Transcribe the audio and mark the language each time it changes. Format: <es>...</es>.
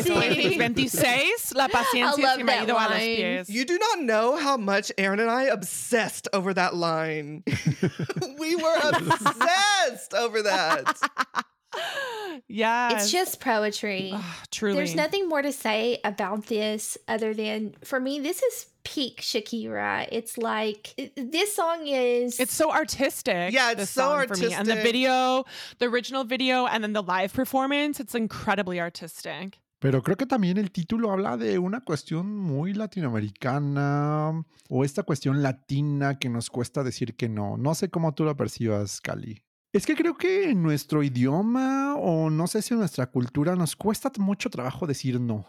<es>26, la paciencia se me ha ido a los pies.</es> <en>You do not know how much Erin and I obsessed over that line. We were obsessed over that. Yeah. It's just poetry. Ugh, truly. There's nothing more to say about this other than, for me, this is peak Shakira. It's like, this song is... It's so artistic. Yeah, it's so artistic. And the video, the original video, and then the live performance, it's incredibly artistic.</en> <es>Pero creo que también el título habla de una cuestión muy latinoamericana o esta cuestión latina que nos cuesta decir que no. No sé cómo tú lo percibas, Cali. Es que creo que en nuestro idioma o no sé si en nuestra cultura nos cuesta mucho trabajo decir no.</es>